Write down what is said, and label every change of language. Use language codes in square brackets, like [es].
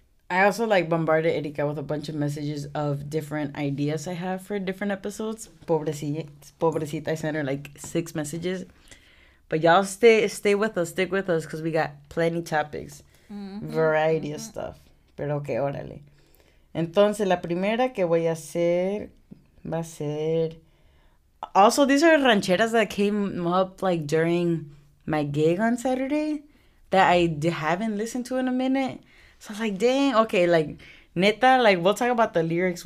[en] I also like bombarded Erika with a bunch of messages of different ideas I have for different episodes. Pobrecita, I sent her like 6 messages. But y'all stay with us, stick with us, because we got plenty topics, variety of stuff. [es] Pero que órale. Entonces, la primera que voy a hacer va a ser... [en] Also, these are rancheras that came up, like, during my gig on Saturday that I haven't listened to in a minute. So I was like, dang, okay, like, neta, like, we'll talk about the lyrics.